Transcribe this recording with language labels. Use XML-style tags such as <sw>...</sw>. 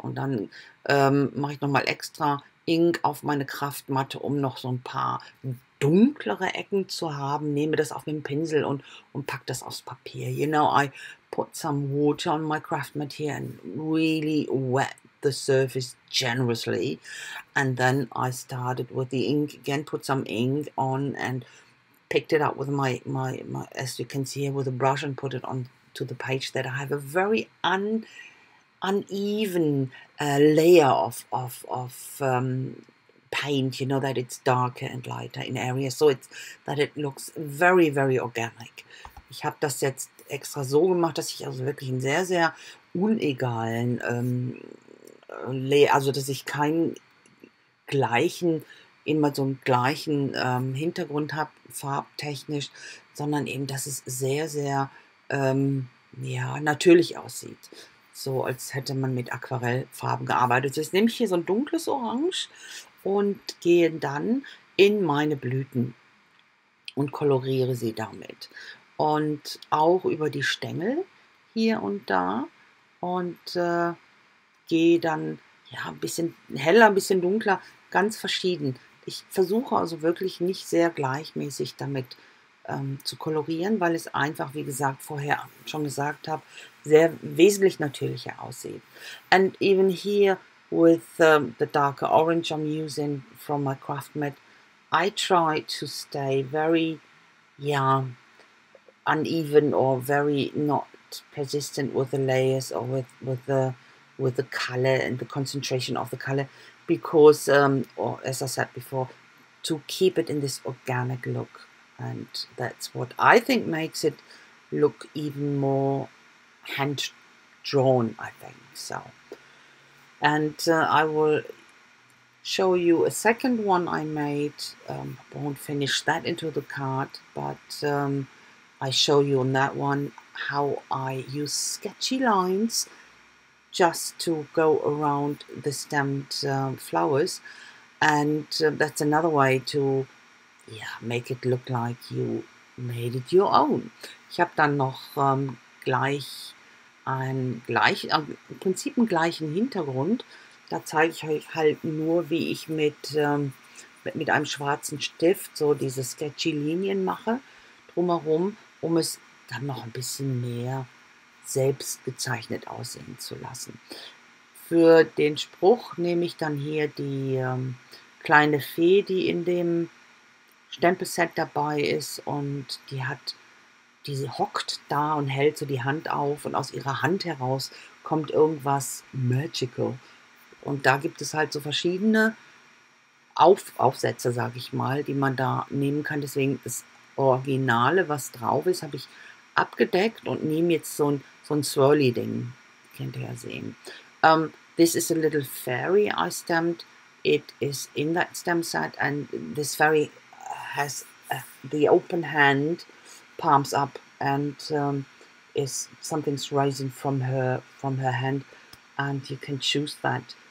<de>Und dann mache ich nochmal extra Ink auf meine Kraftmatte, um noch so ein paar dunklere Ecken zu haben. Nehme das auf mit dem Pinsel und packe das aufs Papier.</de> <en>You know, I put some water on my craft mat here and really wet the surface generously. And then I started with the ink again, put some ink on and picked it up with my as you can see here with a brush and put it on to the page that I have a very uneven layer of paint, you know, that it's darker and lighter in areas, so it's that it looks very very organic.</en> <de>Ich habe das jetzt extra so gemacht, dass ich also wirklich einen sehr sehr unegalen Layer, also dass ich keinen gleichen immer so einen gleichen Hintergrund habe, farbtechnisch, sondern eben, dass es sehr, sehr ja, natürlich aussieht. So, als hätte man mit Aquarellfarben gearbeitet. Jetzt nehme ich hier so ein dunkles Orange und gehe dann in meine Blüten und koloriere sie damit. Und auch über die Stängel hier und da und gehe dann ja, ein bisschen heller, ein bisschen dunkler, ganz verschieden. Ich versuche also wirklich nicht sehr gleichmäßig damit zu kolorieren, weil es einfach, wie gesagt, vorher schon gesagt habe, sehr wesentlich natürlicher aussieht.</de> <en>And even here with the darker orange I'm using from my craft mat, I try to stay very, yeah, uneven or very not persistent with the layers or with the color and the concentration of the color, because, or as I said before, to keep it in this organic look. And that's what I think makes it look even more hand-drawn, I think. So, and I will show you a second one I made. I won't finish that into the card, but I show you on that one how I use sketchy lines just to go around the stemmed flowers. And that's another way to, yeah, make it look like you made it your own.</en> <de>Ich habe dann noch im Prinzip einen gleichen Hintergrund. Da zeige ich euch halt nur, wie ich mit einem schwarzen Stift so diese sketchy Linien mache drumherum, um es dann noch ein bisschen mehr selbst gezeichnet aussehen zu lassen. Für den Spruch nehme ich dann hier die kleine Fee, die in dem Stempelset dabei ist, und die hat, die hockt da und hält so die Hand auf, und aus ihrer Hand heraus kommt irgendwas magical. Und da gibt es halt so verschiedene Aufsätze, sage ich mal, die man da nehmen kann. Deswegen das Originale, was drauf ist, habe ich abgedeckt und nehme jetzt so ein Swirly-Ding. Könnt ihr ja sehen.</de> <en>This is a little fairy I stamped. It is in that stamp set, and this fairy has the open hand, palms up, and is something's rising from her hand, and you can choose that.</en>